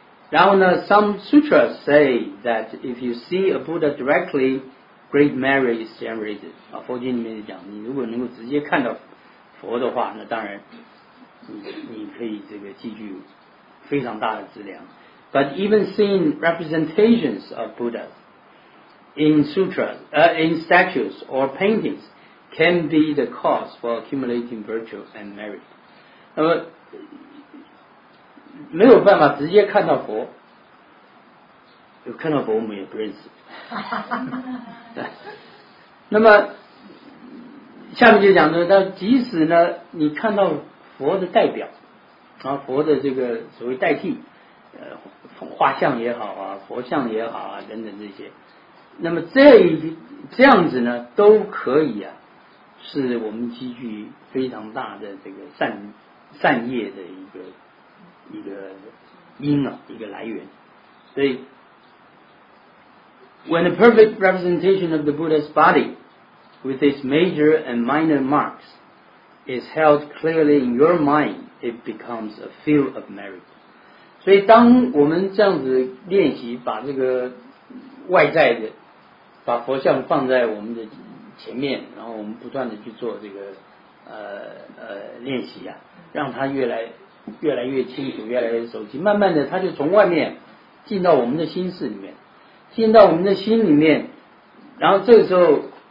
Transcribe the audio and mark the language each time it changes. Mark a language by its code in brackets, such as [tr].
[zh] 然后呢 [en] some sutras say that if you see a Buddha directly, great merit is generated、 [zh] 啊、佛经里面讲你如果能够直接看到佛的话，那当然你可以这个记住非常大的质量。 [en] But even seeing representations of Buddha in sutras, in statues or paintings can be the cause for accumulating virtue and merit. [zh] 那么没有办法直接看到佛，有看到佛我们也不认识。那么下面就讲到，即使呢你看到佛的代表啊，佛的这个所谓代替，画像也好啊，佛像也好啊，等等这些，那么这样子呢都可以啊，是我们积聚非常大的这个善业的一个因啊，一个来源。所以 [en] When a perfect representation of the Buddha's body with its major and minor marks is held clearly in your mind, it becomes a field of merit. [zh] 所以当我们这样子练习，把这个外在的把佛像放在我们的前面，然后我们不断的去做这个练习啊，让它越来越清楚，越来越熟悉，慢慢的它就从外面进到我们的心室里面，进到我们的心里面，然后这个时候